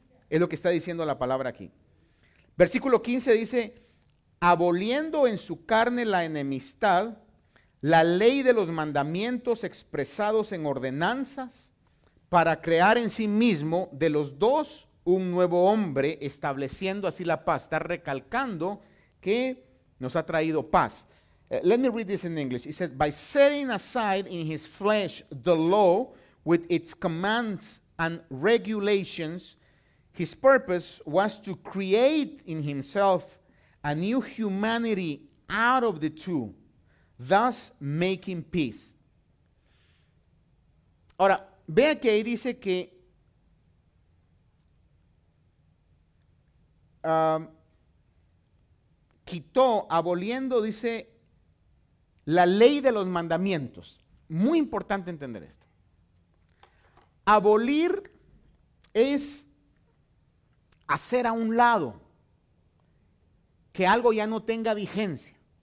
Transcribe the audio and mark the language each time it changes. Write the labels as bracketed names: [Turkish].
[Spanish] Es lo que está diciendo la palabra aquí. Versículo 15 dice, aboliendo en su carne la enemistad, la ley de los mandamientos expresados en ordenanzas, para crear en sí mismo de los dos un nuevo hombre, estableciendo así la paz. Está recalcando que nos ha traído paz. [English] Let me read this in English. It says, by setting aside in his flesh the law with its commands and regulations, his purpose was to create in himself a new humanity out of the two, thus making peace. [Spanish] Ahora, vea que ahí dice que quitó, aboliendo, dice, la ley de los mandamientos. Muy importante entender esto. Abolir es hacer a un lado que algo ya no tenga vigencia.